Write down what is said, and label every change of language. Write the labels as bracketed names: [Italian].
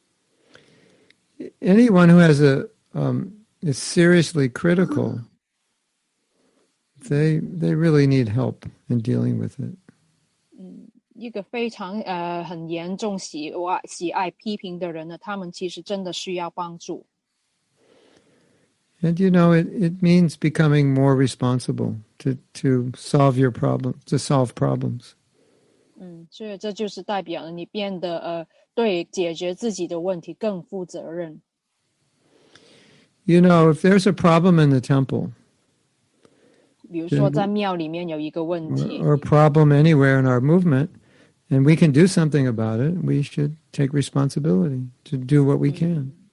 [Chinese] 有时候也很有趣的，就是你尝试要让他不再抱怨，但是他会抱怨你为什么不让他抱怨。 [English] Anyone who has is seriously critical, they really need help in dealing with it. [Chinese] 一个非常很严重喜爱批评的人呢，他们其实真的需要帮助。 [English] And you know, it means becoming more responsible to solve your problem, to solve problems. [Chinese] 所以这就是代表了你变得对解决自己的问题更负责任。 [English] You know, if there's a problem in the temple, [Chinese] 比如说在庙里面有一个问题, [English] or a problem anywhere in our movement, and we can do something about it, we should take responsibility to do what we can.